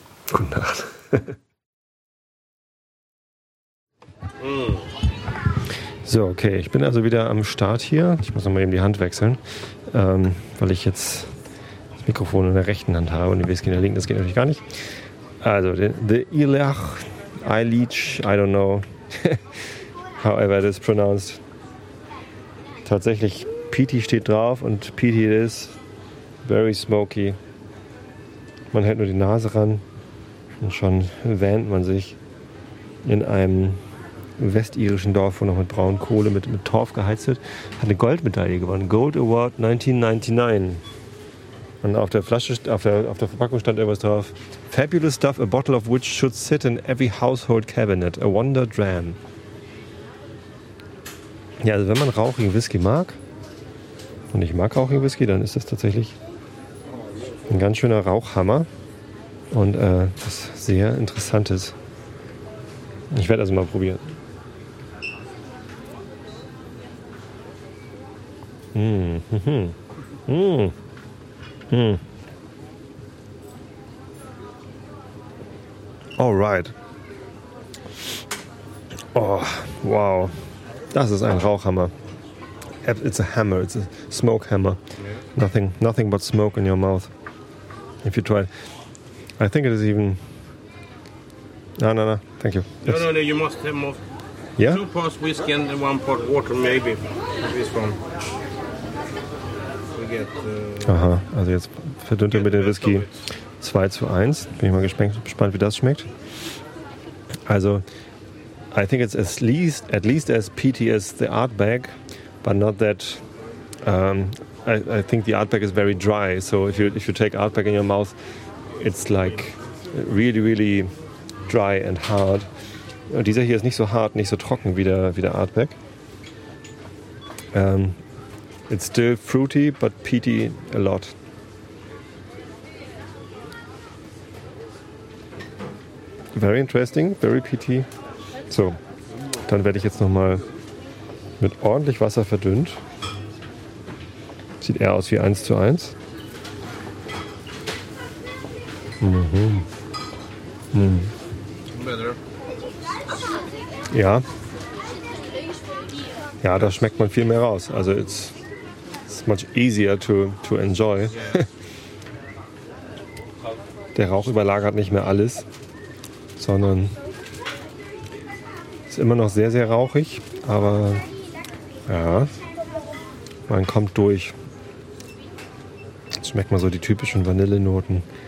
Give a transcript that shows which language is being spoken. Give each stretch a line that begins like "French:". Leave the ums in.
German: Gute Nacht. So, okay, ich bin also wieder am Start hier. Ich muss nochmal eben die Hand wechseln, ähm, weil ich jetzt das Mikrofon in der rechten Hand habe und die Whisky in der linken. Das geht natürlich gar nicht.
English: Also, the, the Ilach, I leech, I don't know, however it is pronounced.
German: Tatsächlich, Peaty steht drauf und
English: Peaty it is very smoky.
German: Man hält nur die Nase ran und schon wähnt man sich in einem westirischen Dorf, wo noch mit braunen Kohle, mit, mit Torf geheizt wird, hat eine Goldmedaille gewonnen. Gold Award 1999. Und auf der Flasche, st- auf der, auf der Verpackung stand irgendwas drauf.
English: Fabulous stuff, a bottle of which should sit in every household cabinet. A wonder dram.
German: Ja, also wenn man rauchigen Whisky mag, und ich mag rauchigen Whisky, dann ist das tatsächlich ein ganz schöner Rauchhammer. Und äh, was sehr Interessantes. Ich werde also mal probieren. Mm, mhm. Mm. Mm.
English: Alright. Oh, wow.
German: Das ist ein Rauchhammer.
English: It's a hammer, it's a smoke hammer. Nothing, nothing but smoke in your mouth. If you try it. I think it is even. No, no, no. Thank you. No, It's- no, no, you must have more. Yeah? Two parts whiskey and one part water, maybe. This one. We get. Uh,
German: Aha, also jetzt verdünnt er mit dem Whisky 2 zu 1. Bin ich mal gespannt, gespannt wie das schmeckt.
English: Also, I think it's at least, at least as peaty as the art bag, but not that. Um, I, I think the art bag is very dry, so if you, if you take art bag in your mouth, it's like really, really dry and hard.
German: Und dieser hier ist nicht so hart, nicht so trocken wie der, wie der art bag.
English: Ähm, It's still fruity, but peaty a lot. Very interesting, very peaty.
German: So, dann werde ich jetzt nochmal mit ordentlich Wasser verdünnt. Sieht eher aus wie 1 zu 1.
English: Better.
German: Ja. Ja, da schmeckt man viel mehr raus.
English: Also it's, it's much easier to, to enjoy.
German: Der Rauch überlagert nicht mehr alles, sondern ist immer noch sehr, sehr rauchig, aber ja, man kommt durch. Jetzt schmeckt man so die typischen Vanillenoten.